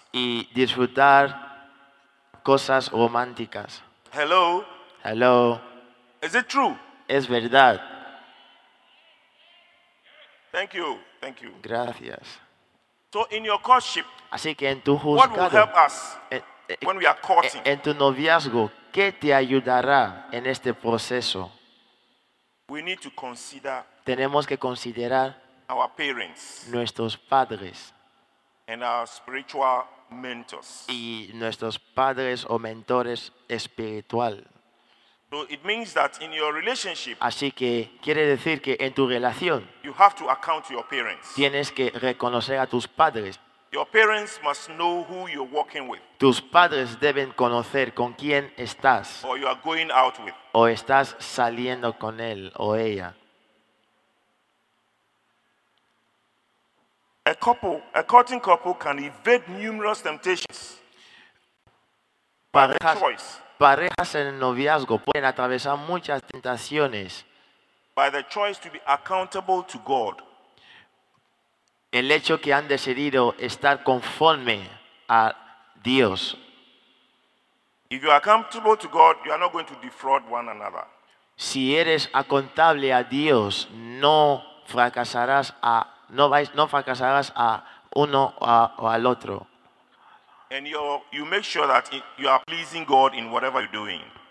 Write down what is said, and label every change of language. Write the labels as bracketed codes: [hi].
[es] Y disfrutar cosas románticas. [en] Hello. Hello. Is it true? [es] Es verdad. [en] Thank you. Thank you. [es] Gracias. [en] So in your courtship, [es] así que en tu juzgado, [en] what will help us when we are courting? [es] En tu noviazgo, ¿qué te ayudará en este proceso? [en] We need to consider [es] tenemos que considerar [en] our parents, [es] nuestros padres [en] and our spiritual mentors. [es] Y nuestros padres o mentores espiritual. [en] So it means that in your relationship, [es] así que quiere decir que en tu relación, [en] you have to account to your parents. [es] Tienes que reconocer a tus padres. [en] Your parents must know who you're walking with. [es] Tus padres deben conocer con quién estás. [en] Or you are going out with. [es] O estás saliendo con él o ella. [en] A courting couple can evade numerous temptations. [es] Parejas, [en] by the choice. [es] Parejas en el noviazgo pueden atravesar muchas tentaciones. [en] By the choice to be accountable to God. [es] El hecho que han decidido estar conforme a Dios. [en] If you are accountable to God, you are not going to defraud one another. [es] Si eres accountable a Dios, no fracasarás a no vais no fracasarás a uno o al otro. [en] And you make sure that you are pleasing God in whatever you're doing.